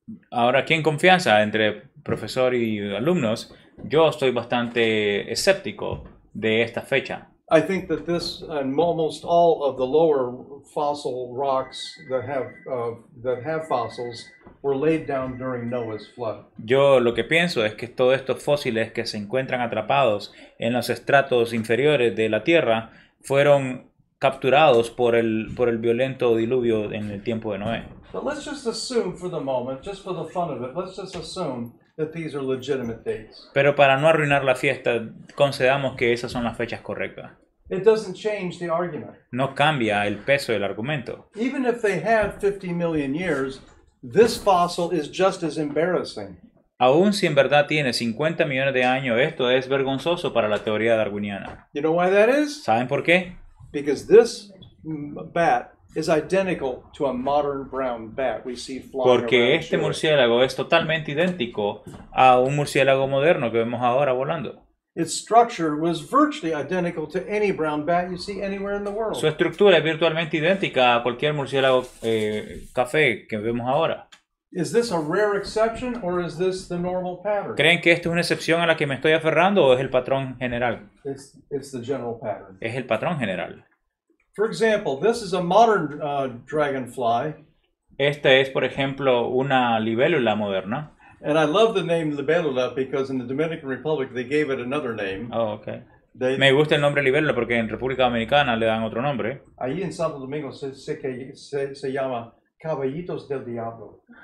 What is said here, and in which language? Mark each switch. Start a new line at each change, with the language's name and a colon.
Spanish: Ahora, aquí en confianza entre profesor y alumnos, yo estoy bastante escéptico de esta fecha.
English: I think that this and almost all of the lower fossil rocks that have fossils were laid down during Noah's flood.
Spanish: Yo lo que pienso es que todos estos fósiles que se encuentran atrapados en los estratos inferiores de la Tierra fueron capturados por el violento diluvio en el tiempo de Noé.
English: But let's just assume for the moment, just for the fun of it, let's just assume that these are legitimate dates.
Spanish: Pero para no arruinar la fiesta, concedamos que esas son las fechas correctas.
English: It doesn't change the argument.
Spanish: No cambia el peso del argumento.
English: Even if they have 50 million years, This fossil is just as embarrassing.
Spanish: Aún si en verdad tiene 50 millones de años, esto es vergonzoso para la teoría darwiniana.
English: You know why that is?
Spanish: ¿Saben por qué?
English: Because this bat is identical to a modern brown bat we see flying around.
Spanish: Porque este murciélago es totalmente idéntico a un murciélago moderno que vemos ahora volando.
English: Its structure was virtually identical to any brown bat you see anywhere in the world.
Spanish: Su estructura es virtualmente idéntica a cualquier murciélago café que vemos ahora.
English: Is this a rare exception or is this the normal pattern?
Spanish: ¿Creen que esto es una excepción a la que me estoy aferrando o es el patrón general?
English: It's the general pattern.
Spanish: Es el patrón general.
English: For example, this is a modern dragonfly.
Spanish: Esta es, por ejemplo, una libélula moderna.
English: And I love the name libélula because in the Dominican Republic they gave it another name. Oh, okay.
Spanish: Me gusta el nombre libélula porque en República Dominicana le dan otro nombre. Ahí en Santo Domingo se llama Caballitos del Diablo.